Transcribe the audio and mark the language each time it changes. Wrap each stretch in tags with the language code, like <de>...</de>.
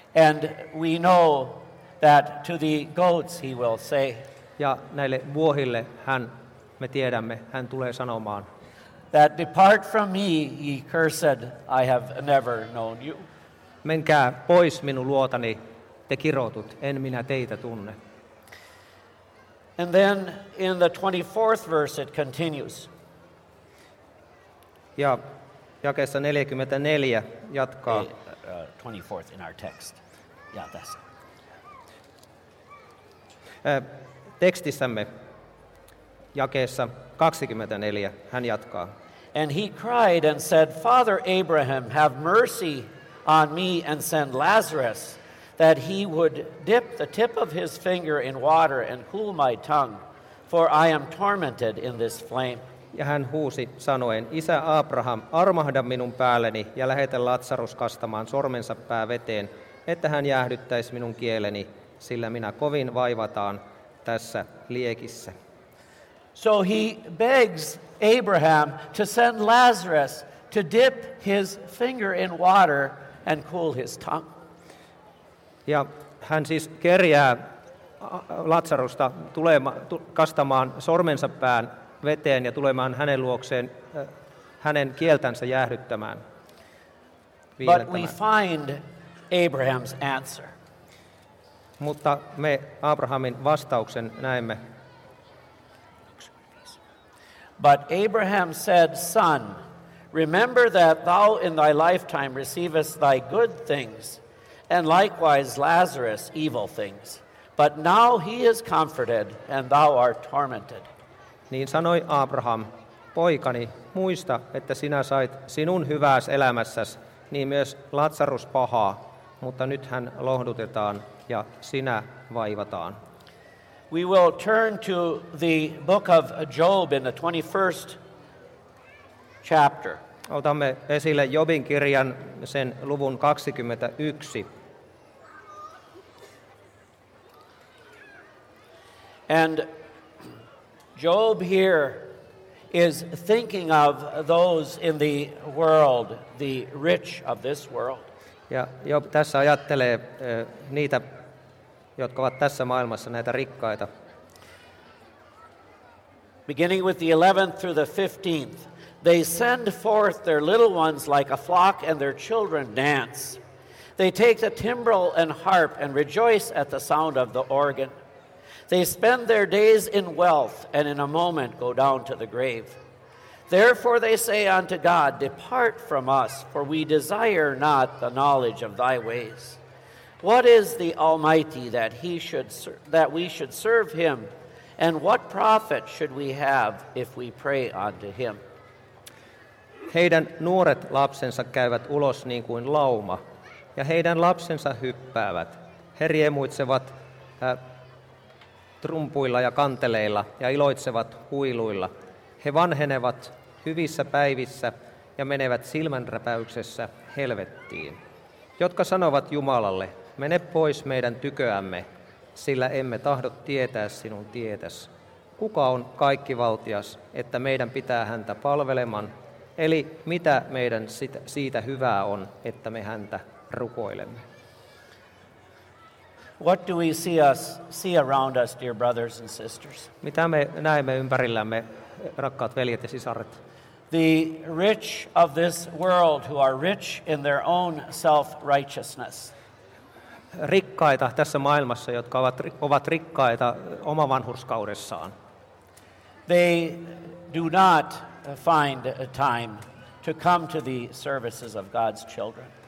<en>And we know that to the goats he will say.</en> <fi>Ja näille vuohille hän, me tiedämme, hän tulee sanomaan.</fi> <en>That depart from me, ye cursed, I have never known you.</en> <fi>Menkää pois minun luotani, te kirotut, en minä teitä tunne.</fi> <en>And then in the 24th verse it continues.</en> <fi>Ja jakeessa 44 jatkaa.</fi> <en>24th in our text.</en> <fi>Ja tässä. Tekstissämme jakeessa 24 hän jatkaa.</fi> <en>And he cried and said, Father Abraham, have mercy on me and send Lazarus, that he would dip the tip of his finger in water and cool my tongue, for I am tormented in this flame.</en> <fi>Ja hän huusi sanoen, Isä Abraham, armahda minun päälleni ja lähetä Lazarus kastamaan sormensa pää veteen, että hän jäähdyttäisi minun kieleni, sillä minä kovin vaivataan tässä liekissä.</fi> <en>So he begs Abraham to send Lazarus to dip his finger in water and cool his tongue.</en> <fi>Ja hän siis kerjää Lazarusta kastamaan sormensa pään veteen ja tulemaan hänen luokseen hänen kieltänsä jäähdyttämään.</fi> <en>But we find Abraham's answer.</en> <fi>Mutta me Abrahamin vastauksen näemme.</fi> <en>But Abraham said, Son, Remember that thou in thy lifetime receivest thy good things, and likewise Lazarus evil things. But now he is comforted, and thou art tormented.</en> <fi>Niin sanoi Abraham, poikani, muista, että sinä sait sinun hyvääs elämässäs, niin myös Lazarus pahaa, mutta nyt hän lohdutetaan ja sinä vaivataan.</fi> <en>We will turn to the book of Job in the 21st chapter.</en> <fi>Otamme esille Jobin kirjan sen luvun 21.</fi> <en>And Job here is thinking of those in the world, the rich of this world.</en> <fi>Ja Job tässä ajattelee niitä, jotka ovat tässä maailmassa näitä rikkaita.</fi> <en>Beginning with the 11th through the 15th, they send forth their little ones like a flock and their children dance. They take the timbrel and harp and rejoice at the sound of the organ. They spend their days in wealth and in a moment go down to the grave. Therefore they say unto God, depart from us, for we desire not the knowledge of thy ways. What is the Almighty that he should that we should serve him, and what profit should we have if we pray unto him?</en> <fi>Heidän nuoret lapsensa käyvät ulos niin kuin lauma, ja heidän lapsensa hyppäävät. He riemuitsevat trumpuilla ja kanteleilla ja iloitsevat huiluilla. He vanhenevat hyvissä päivissä ja menevät silmänräpäyksessä helvettiin, jotka sanovat Jumalalle, mene pois meidän tyköämme, sillä emme tahdo tietää sinun tietäsi. Kuka on kaikkivaltias, että meidän pitää häntä palveleman? Eli mitä meidän siitä hyvää on, että me häntä rukoilemme?</fi> <en>What do we see around us, dear brothers and sisters?</en> <fi>Mitä me näemme ympärillämme, rakkaat veljet ja sisaret?</fi> <en>The rich of this world who are rich in their own self-righteousness.</en> <fi>Rikkaita tässä maailmassa, jotka ovat rikkaita oma vanhurskaudessaan.</fi> <en>They do not find a time to come to the services of God's children.</en>